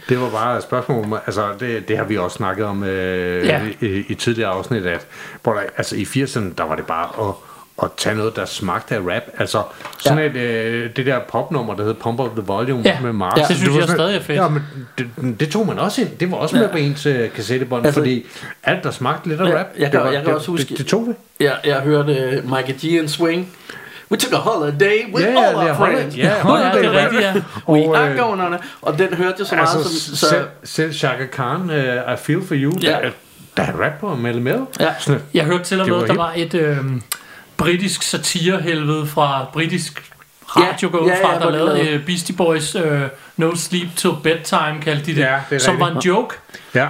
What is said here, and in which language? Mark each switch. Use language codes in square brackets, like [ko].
[da] Det var bare et spørgsmål. Altså det har vi også snakket om i tidligere afsnit, at altså i 80'erne, der var det bare at tage noget, der smagte af rap. Altså sådan det der popnummer, der hedder Pump Up The Volume med Mars. Ja, det synes jeg stadig er fedt. Ja, men det tog man også ind. Det var også med på ens kassettebånd, altså, fordi alt, der smagte lidt af rap, det tog vi. Jeg hørte Mike G and Swing. [en] We took a holiday with all our friends. Holiday, we are going on it. [da] Og den hørte jeg så meget som selv Chaka Khan, I Feel For You. Der er rap på Mel. Ja. Jeg hørte til og med, der var et britisk satirehelvede fra britisk radio, ja, fra, ja, der lavede Beastie Boys No Sleep Till Bedtime, kaldte de det, ja, det som rigtigt. Var en joke. Ja.